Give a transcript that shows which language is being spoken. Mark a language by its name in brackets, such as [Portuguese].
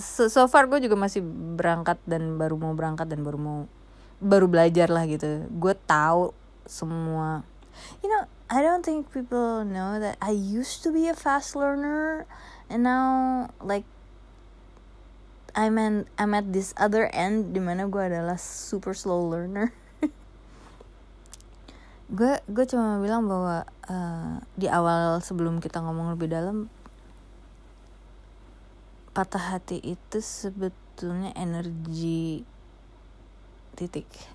[Indonesian] So far gue juga masih berangkat, dan baru mau berangkat, dan baru belajar lah gitu. Gue tahu semua, [English] you know, I don't think people know that I used to be a fast learner, and now like I'm at this other end [Indonesian] dimana gue adalah super slow learner. Gue cuma bilang bahwa di awal, sebelum kita ngomong lebih dalam, patah hati itu sebetulnya energi titik.